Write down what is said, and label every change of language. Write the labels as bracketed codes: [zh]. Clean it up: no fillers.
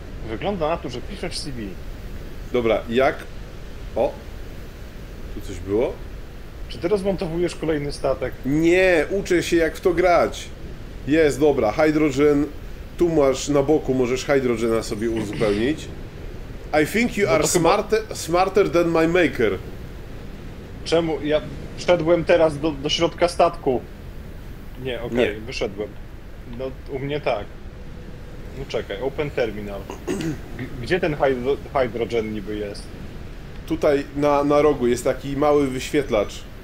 [pl] Wygląda na to, że piszesz CV. Dobra, jak... O! Tu coś było? Czy ty rozmontowujesz kolejny statek? Nie, uczę się, jak w to grać. Jest, dobra, hydrogen... Tu masz na boku, możesz hydrogena sobie uzupełnić. [en] I think you are smarter than my maker. [pl] Czemu? Ja wszedłem teraz do środka statku. Nie, okej, okay, wyszedłem. No, u mnie tak. No czekaj, [en] open terminal. [pl] Gdzie ten hydrogen niby jest? Tutaj na rogu jest taki mały wyświetlacz.